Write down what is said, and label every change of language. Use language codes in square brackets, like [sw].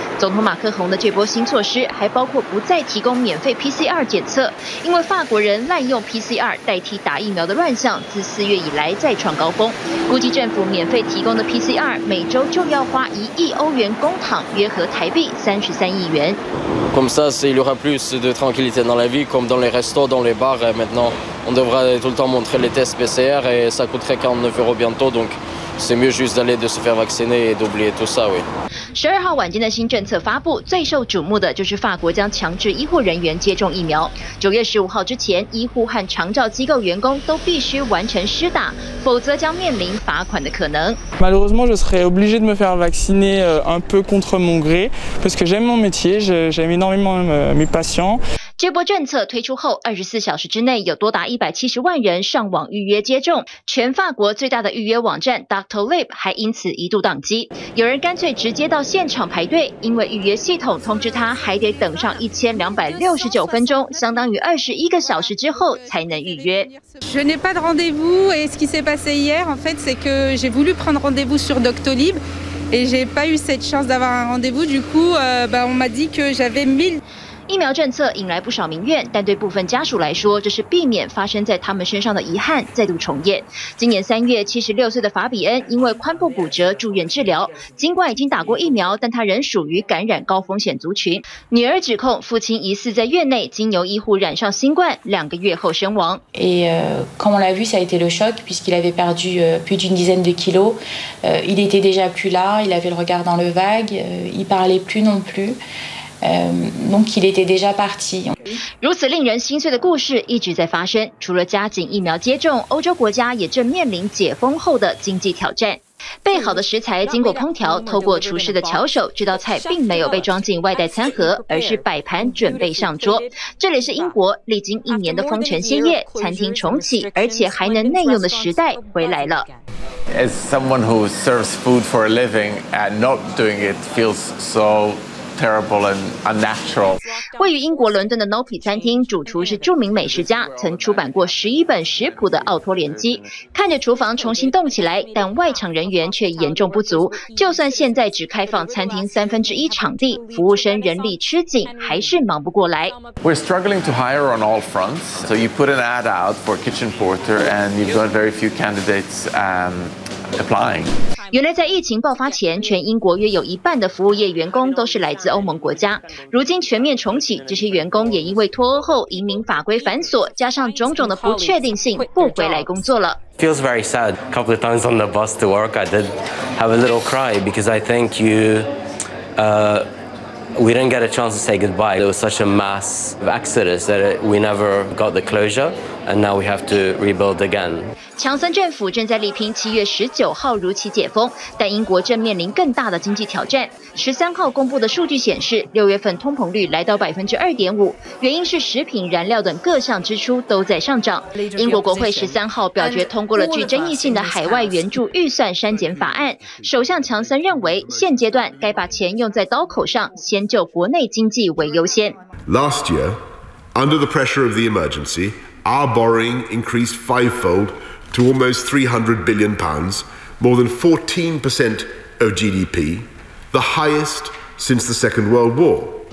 [zh] 总统马克宏的这波新措施还包括不再提供免费 PCR 检测，因为法国人滥用 PCR 代替打疫苗的乱象，自4月以来再创高。估计政府免费提供的 PCR 每周就要花1亿欧元公帑，约合台币33亿元。 [fr] Comme ça, il y aura plus de tranquillité dans la vie, comme dans les restos, dans les bars. Et maintenant, on devra tout le temps montrer les tests PCR et ça coûterait 49 euros bientôt. Donc... C'est mieux juste d'aller de se faire vacciner et d'oublier tout ça, oui. [zh] 12号晚间的新政策发布，最受瞩目的就是法国将强制医护人员接种疫苗。 9月15号之前，医护和长照机构员工都必须完成施打，否则将面临罚款的可能。 [fr] Malheureusement, je serai obligé de me faire vacciner un peu contre mon gré, parce que j'aime mon métier, j'aime énormément mes patients. [zh] 这波政策推出后，24小时之内有多达170万人上网预约接种。全法国最大的预约网站 Doctor Lib 还因此一度宕机，有人干脆直接到现场排队，因为预约系统通知他还得等上1269分钟，相当于21个小时之后才能预约。 [fr] Je n'ai pas de rendez-vous et ce qui s'est passé hier, en fait, c'est que j'ai voulu prendre rendez-vous sur Doctor Lib et j'ai pas eu cette chance d'avoir un rendez-vous. Du coup, bah, on m'a dit que j'avais 1000 [zh] 疫苗政策引来不少民怨，但对部分家属来说，这是避免发生在他们身上的遗憾再度重演。今年3月，76岁的法比恩因为髋部骨折住院治疗，尽管已经打过疫苗，但他仍属于感染高风险族群。女儿指控父亲疑似在院内经由医护染上新冠，2个月后身亡。 [fr] Et comme on l'a vu, ça a été le choc puisqu'il avait perdu plus d'une dizaine de kilos. Il était déjà plus là, il avait le regard dans le vague, il parlait plus non plus. Donc il était déjà parti. [zh] 如此令人心碎的故事一直在发生，除了加紧疫苗接种，欧洲国家也正面临解封后的经济挑战。备好的食材经过烹调，透过厨师的巧手，这道菜并没有被装进外带餐盒，而是摆盘准备上桌。这里是英国，历经一年的封城歇业，餐厅重启，而且还能内用的时代回来了。 [en] As someone who serves food for a living and not doing it feels so. Terrible and unnatural. [zh] 位于英国伦敦的 Nopi 餐厅，主厨是著名美食家，曾出版过11本食谱的奥托连基。看着厨房重新动起来，但外场人员却严重不足。就算现在只开放餐厅1/3场地，服务生人力吃紧，还是忙不过来。 [en] We're struggling to hire on all fronts. So you put an ad out for kitchen porter, and you've got very few candidates. Applying. [zh] 原来在疫情爆发前，全英国约有一半的服务业员工都是来自欧盟国家。如今全面重启，这些员工也因为脱欧后移民法规繁琐，加上种种的不确定性，不回来工作了。 [en] Feels very sad. A couple of times on the bus to work, I did have a little cry because I think you, we didn't get a chance to say goodbye. It was such a mass exodus that we never got the closure. and now we have to rebuild again. [zh] 强森政府正在力拼7月19号如期解封，但英国正面临更大的经济挑战。 13号公布的数据显示，6月份通膨率来到 2.5%， 原因是食品、燃料等各项支出都在上涨。英国国会13号表决通过了具争议性的海外援助预算删减法案。首相强森认为，现阶段该把钱用在刀口上，先救国内经济为优先。 [en] Last year, under the pressure of the emergency, our borrowing increased fivefold. To almost £300 billion, more than 14% of GDP, the highest since the Second World War.